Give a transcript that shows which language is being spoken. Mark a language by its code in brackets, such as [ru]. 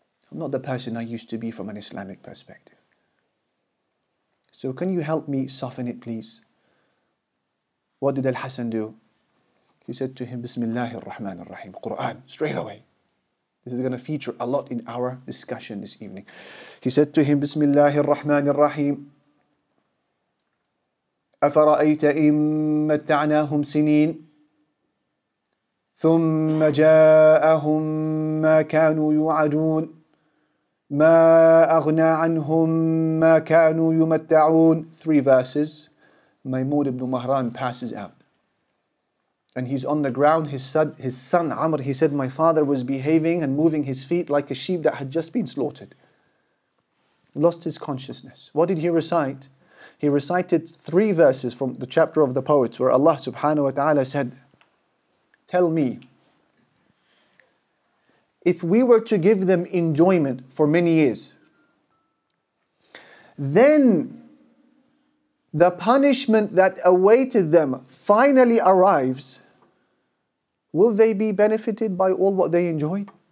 [en] I'm not the person I used to be from an Islamic perspective. So can you help me soften it, please? What did Al-Hasan do? He said to him, Bismillah ar-Rahman ar-Rahim, Quran, straight away. This is going to feature a lot in our discussion this evening. He said to him, Bismillah ar-Rahman ar-Rahim, [ar] أَفَرَأَيْتَ إِن مَتَّعْنَاهُمْ سِنِينَ ثُمَّ جَاءَهُمْ مَا كَانُوا يُوعَدُونَ مَا أَغْنَى عَنْهُمْ مَا كَانُوا يُمَتَّعُونَ. [en] Three verses. Maymun ibn Mahran passes out. And he's on the ground. His son Amr, he said, my father was behaving and moving his feet like a sheep that had just been slaughtered. Lost his consciousness. What did he recite? He recited three verses from the chapter of the poets where Allah subhanahu wa ta'ala said, tell me, if we were to give them enjoyment for many years, then the punishment that awaited them finally arrives, will they be benefited by all what they enjoyed?